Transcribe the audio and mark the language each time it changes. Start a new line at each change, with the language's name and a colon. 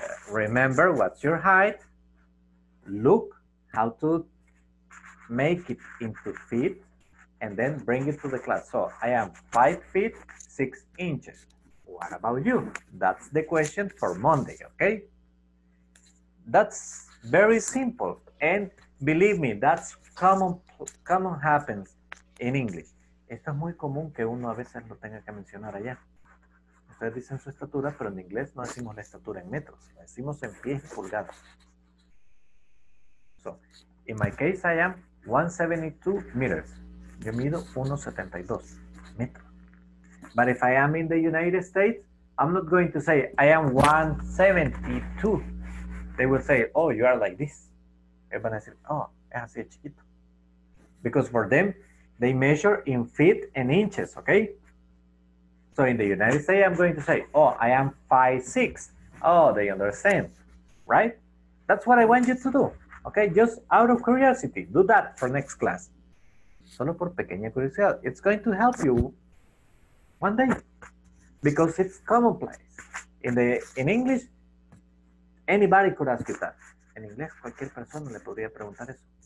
English: Remember what's your height. Look how to make it into feet and then bring it to the class. So I am 5 feet, 6 inches. What about you? That's the question for Monday, okay? That's very simple. And believe me, that's common happens in English.
Spanish: Esto es muy común que uno a veces lo tenga que mencionar allá. Ustedes dicen su estatura, pero en inglés no decimos la estatura en metros. La decimos en pies y pulgadas.
English: So, in my case, I am 172 meters.
Spanish: Yo mido 1.72 metros.
English: But if I am in the United States, I'm not going to say I am 172. They will say, oh, you are like this. They
Spanish: van a decir, oh, es así chiquito.
English: Because for them, they measure in feet and inches, okay? So in the United States, I'm going to say, oh, I am 5'6". Oh, they understand, right? That's what I want you to do, okay? Just out of curiosity, do that for next class.
Spanish: Solo por pequeña curiosidad.
English: It's going to help you one day, because it's commonplace. In English, anybody could ask you that.
Spanish: En inglés, cualquier persona le podría preguntar eso.